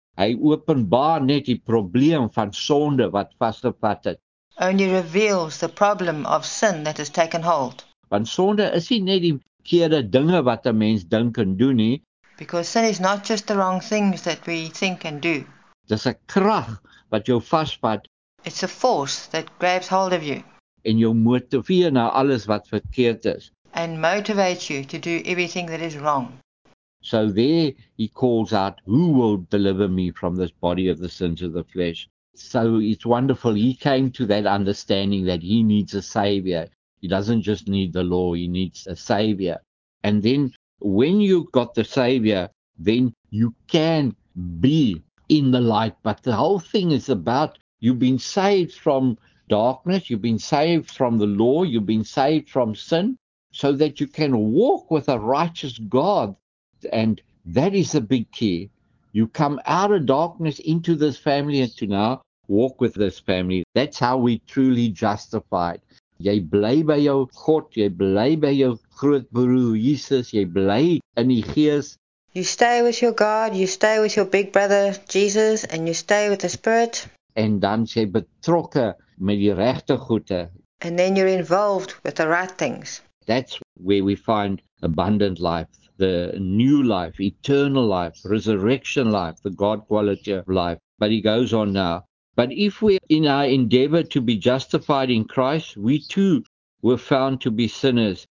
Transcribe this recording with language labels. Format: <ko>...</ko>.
<af>Hy openbaar net die probleem van sonde wat vasgevat het.</af> <en>Only reveals the problem of sin that has taken hold.</en> <af>Want sonde is nie net die verkeerde dinge wat 'n mens dink en doen nie.</af> <en>Because sin is not just the wrong things that we think and do.</en> <af>Dis 'n krag wat jou vasvat.</af> <en>It's a force that grabs hold of you.</en> <af>En jou motiveer na alles wat verkeerd is.</af> <en>And motivate you to do everything that is wrong. So there he calls out, who will deliver me from this body of the sins of the flesh? So it's wonderful. He came to that understanding that he needs a savior. He doesn't just need the law. He needs a savior. And then when you've got the savior, then you can be in the light. But the whole thing is about you've been saved from darkness. You've been saved from the law. You've been saved from sin. So that you can walk with a righteous God. And that is the big key. You come out of darkness into this family and to now walk with this family. That's how we truly justified.</en> <af>Jy bly by jou God, jy bly by jou groot broer Jesus, jy bly in die Gees.</af> <en>You stay with your God, you stay with your big brother Jesus, and you stay with the Spirit.</en> <af>En dan jy betrokke met die regte goede.</af> <en>And then you're involved with the right things. That's where we find abundant life, the new life, eternal life, resurrection life, the God quality of life. But he goes on now. But if we in our endeavor to be justified in Christ, we too were found to be sinners.</en>